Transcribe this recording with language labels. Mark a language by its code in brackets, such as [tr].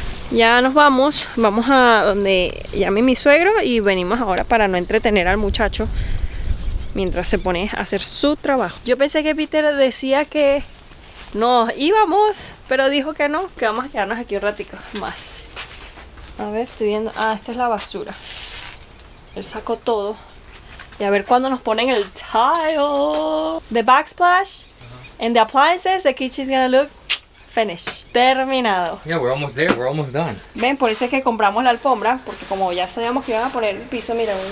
[es] Ya nos vamos, vamos a donde llame mi suegro y venimos ahora para no entretener al muchacho mientras se pone a hacer su trabajo. Yo pensé que Peter decía que nos íbamos, pero dijo que no, que vamos a quedarnos aquí un ratico más. A ver, estoy viendo, esta es la basura. Él sacó todo. Y a ver cuándo nos ponen el tile. [en] The backsplash and the appliances, the kitchen is gonna look finished. [es] Terminado. [en] Yeah, we're almost there, we're almost done. [es] Ven, por eso es que compramos la alfombra, porque como ya sabíamos que iban a poner el piso, mira.